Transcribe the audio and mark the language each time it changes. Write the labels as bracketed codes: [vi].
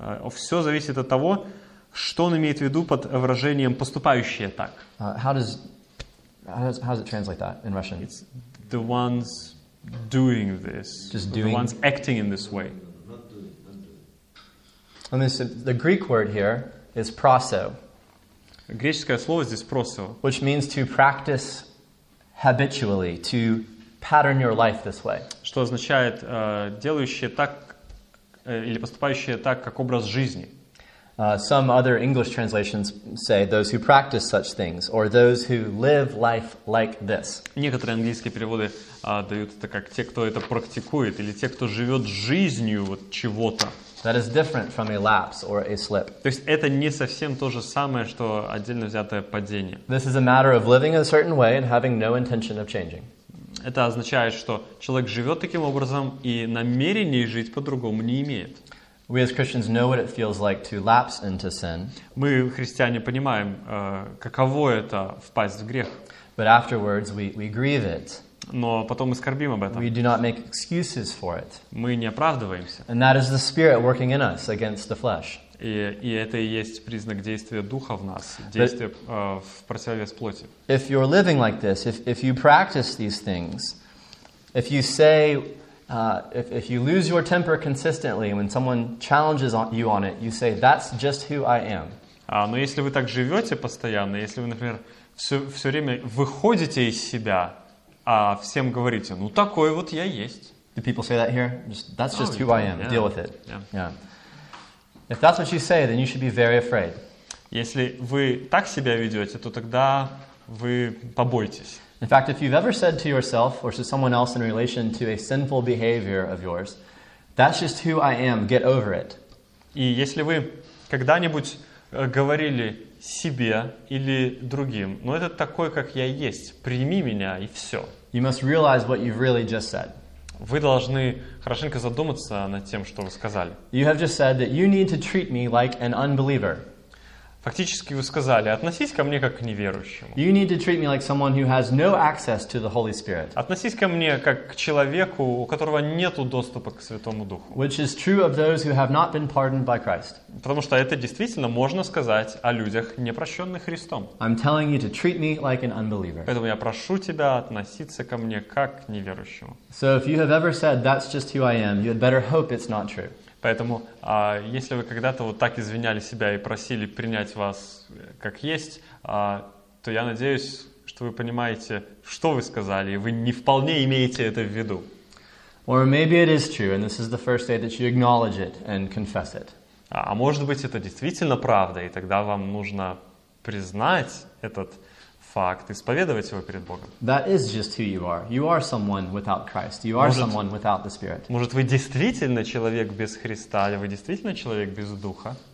[ru] Все зависит от того, что он имеет в виду под выражением «поступающие так». [en] How does it translate that in Russian? It's the ones doing this. Just doing? The ones acting in this way. And this, the Greek word here is proso. [ru] Греческое слово здесь просто. [en] Which means to practice habitually, to pattern your life this way. [ru] Что означает делающие так или поступающие так, как образ жизни. [en] Some other English translations say those who practice such things or those who live life like this. [ru] Некоторые английские переводы дают это как те, кто это практикует или те, кто живет жизнью вот чего-то. [en] That is different from a lapse or a slip. [ru] То есть это не совсем то же самое, что отдельно взятое падение. [en] This is a matter of living a certain way and having no intention of changing. [ru] Это означает, что человек живет таким образом и намерений жить по-другому не имеет. [en] We as Christians know what it feels like to lapse into sin. [ru] Мы, христиане, понимаем, каково это впасть в грех. [en] But afterwards we grieve it. [ru] Но потом мы скорбим об этом. [en] We do not make excuses for it. [ru] Мы не оправдываемся. [en] And that is the spirit working in us against the flesh. [ru] И это и есть признак действия Духа в нас, действия в противовес плоти. [en] If you're living like this, if you practice these things, if you say, if you lose your temper consistently when someone challenges you on it, you say, that's just who I am. [ru] Но если вы так живете постоянно, если вы, например, все время выходите из себя, а всем говорите, ну такой вот я есть. [en] Do people say that here? That's just who I am. Yeah. Deal with it. Yeah. Yeah. If that's what you say, then you should be very afraid. [ru] Если вы так себя ведете, то тогда вы побойтесь. [en] In fact, if you've ever said to yourself or to someone else in relation to a sinful behavior of yours, that's just who I am. Get over it. [ru] И если вы когда-нибудь говорили себе или другим, ну это такой, как я есть, прими меня и все. [en] You must realize what you've really just said. [ru] Вы должны хорошенько задуматься над тем, что вы сказали. [en] You have just said that you need to treat me like an unbeliever. [ru] Фактически вы сказали, относись ко мне как к неверующему. [en] You need to treat me like someone who has no access to the Holy Spirit. [ru] Относись ко мне как к человеку, у которого нету доступа к Святому Духу. [en] Which is true of those who have not been pardoned by Christ. [ru] Потому что это действительно можно сказать о людях, не прощенных Христом. [en] I'm telling you to treat me like an unbeliever. [ru] Поэтому я прошу тебя относиться ко мне как к неверующему. [en] So if you have ever said that's just who I am, you had better hope it's not true. [ru] Поэтому, если вы когда-то вот так извиняли себя и просили принять вас как есть, то я надеюсь, что вы понимаете, что вы сказали, и вы не вполне имеете это в виду. [en] Or maybe it is true, and this is the first day that you acknowledge it and confess it. [ru] А может быть, это действительно правда, и тогда вам нужно признать этот факт, исповедовать его перед Богом. [en] That is just who you are. You are someone without Christ. You are someone without the Spirit. [ru] Может, вы действительно человек без Христа, или вы действительно человек без Духа?